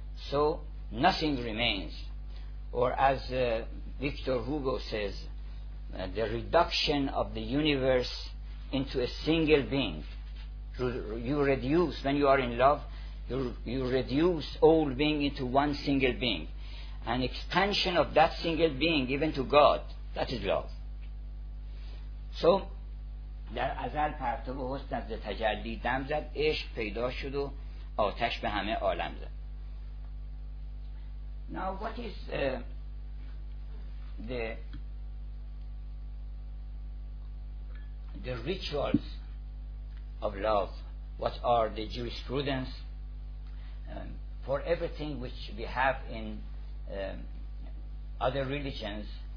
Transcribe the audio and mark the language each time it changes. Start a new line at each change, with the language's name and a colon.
English: So nothing remains. Or as Victor Hugo says, the reduction of the universe into a single being. You reduce, when you are in love, you reduce all being into one single being. An expansion of that single being, even to God, that is love.
Persian: So در ازل پرتو حسن از تجلی دم زد, عشق پیدا شد و آتش به همه عالم زد.
English: Now what is the rituals of love? What are the jurisprudence for everything which we have in other religions?